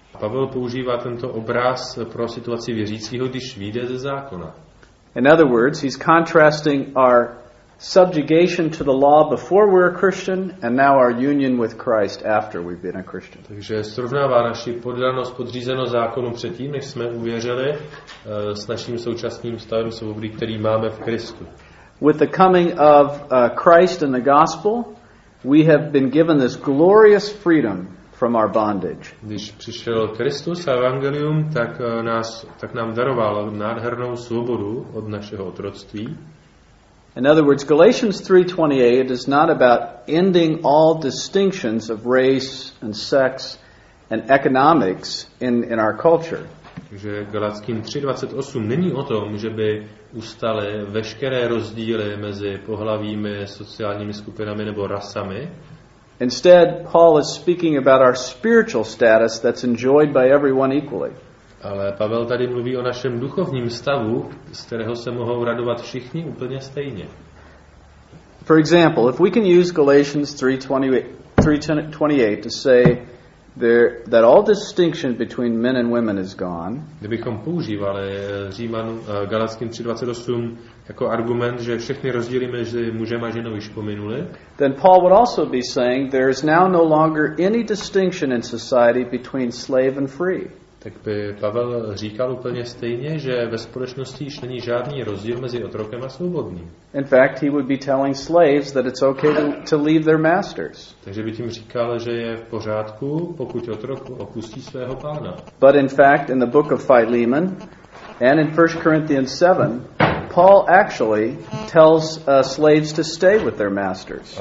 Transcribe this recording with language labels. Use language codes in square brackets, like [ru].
[cs] Pavel používá tento obraz pro situaci věřícího, když vyjde ze zákona. [en] In other words, he's contrasting our subjugation to the law before we're a Christian and now our union with Christ after we've been a Christian. [cs] Takže srovnává naši poddanost podřízenost zákonu předtím, než jsme uvěřili, s naším současným stavem svobody, který máme v Kristu. [en] With the coming of Christ and the gospel, we have been given this glorious freedom from our bondage. [cs] Když přišel Kristus a evangelium, tak nám daroval nádhernou svobodu od našeho otroctví. [en] In other words, Galatians 3:28 is not about ending all distinctions of race and sex and economics in our culture. [cs] Takže Galackým 3:28 není o tom, že by ustaly veškeré rozdíly mezi pohlavími, sociálními skupinami nebo rasami. [en] Instead, Paul is speaking about our spiritual status that's enjoyed by everyone equally. [cs] Ale Pavel tady mluví o našem duchovním stavu, z kterého se mohou radovat všichni úplně stejně. [en] For example, if we can use Galatians 3:28 to say that all distinction between men and women is gone. [cs] Kdybychom používali Galackým 3:28 jako argument, že všechny rozdíly mezi mužem a ženou již pominuli. [en] Then Paul would also be saying there is now no longer any distinction in society between slave and free. [cs] Tak by Pavel říkal úplně stejně, že ve společnosti již není žádný rozdíl mezi otrokem a svobodným. [en] In fact, he would be telling slaves that it's okay to leave their masters. [cs] Takže by tím říkal, že je v pořádku, pokud otrok opustí svého pána. [en] But in fact, in the book of Philemon and in 1 Corinthians 7, Paul actually tells slaves to stay with their masters.